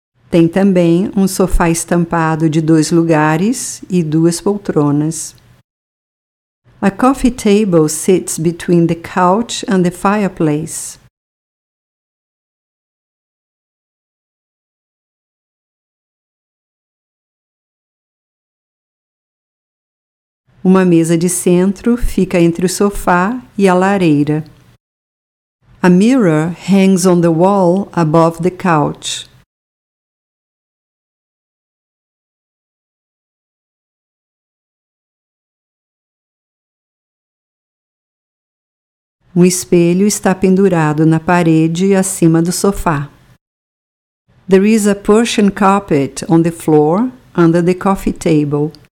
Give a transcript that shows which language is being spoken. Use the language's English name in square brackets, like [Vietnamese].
[Portuguese] Tem também um sofá estampado de dois lugares e duas poltronas. [English] A coffee table sits between the couch and the fireplace. [Portuguese] Uma mesa de centro fica entre o sofá e a lareira. [English] A mirror hangs on the wall above the couch. [Portuguese] Um espelho está pendurado na parede acima do sofá. [English] There is a Persian carpet on the floor under the coffee table.